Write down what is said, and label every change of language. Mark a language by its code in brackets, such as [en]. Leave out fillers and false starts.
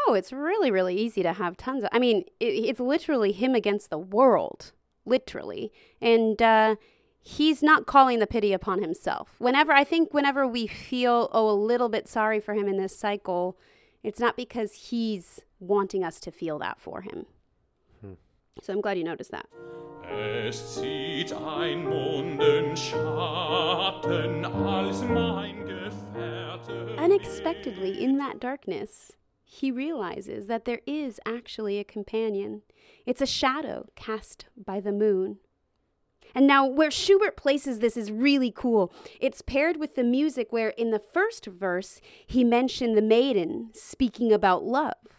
[en] Oh, it's really, really easy to have tons of, I mean, it's literally him against the world, literally. And he's not calling the pity upon himself. Whenever we feel, a little bit sorry for him in this cycle, it's not because he's wanting us to feel that for him. So I'm glad you noticed that. [de] Es zieht ein Mondenschatten als mein Gefährte. [en] Unexpectedly, in that darkness, he realizes that there is actually a companion. It's a shadow cast by the moon. And now where Schubert places this is really cool. It's paired with the music where in the first verse, he mentioned the maiden speaking about love.